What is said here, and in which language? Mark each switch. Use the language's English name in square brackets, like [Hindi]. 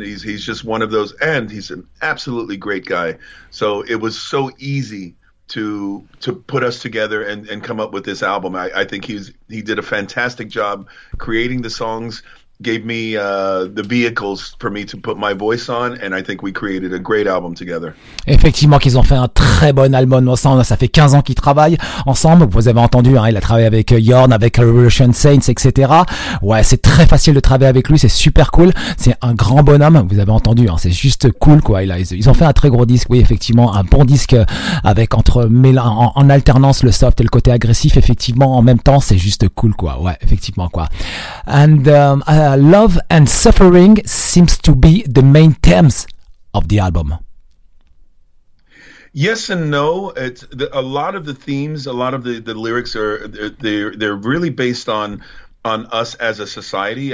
[English] He's just one of those, and he's an absolutely great guy. So it was so easy to put us together and come up with this album. I think he did a fantastic job creating the songs, gave me the vehicles for me to put my voice on, and I think we created a great album together. [French] Effectivement, qu'ils ont fait un très bon album ensemble. Ça fait 15 ans qu'ils travaillent ensemble. Vous avez entendu, hein, il a travaillé avec Jorn, avec Revolution Saints, etc. Ouais, c'est très facile de travailler avec lui. C'est super cool. C'est un grand bonhomme. Vous avez entendu, hein, c'est juste cool, quoi. Ils ont fait un très gros disque. Oui, effectivement, un bon disque avec en alternance le soft et le côté agressif. Effectivement, en même temps, c'est juste cool, quoi. Ouais, effectivement, quoi. [English] Love and suffering seems to be the main themes of the album. Yes and no. A lot of the lyrics are they're really based on us as a society.